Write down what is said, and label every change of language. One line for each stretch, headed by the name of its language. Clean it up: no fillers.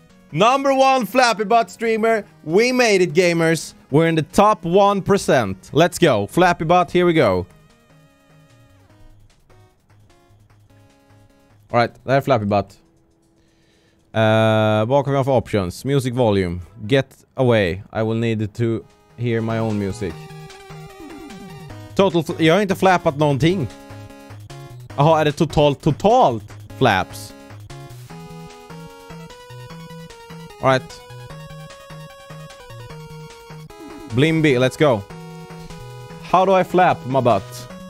English: Number one Flappy Butt streamer. We made it, gamers. We're in the top 1%. Let's go. Flappy Butt, here we go. All right,
Swedish: det här är Flappy Butt. Vad kan vi ha för options?
English: Music volume. Get away. I will need to hear my own music. Total.
Swedish: Jag har inte flappat någonting. Jaha, är det totalt flaps?
English: All right. Blimby, let's go. How do I flap my butt?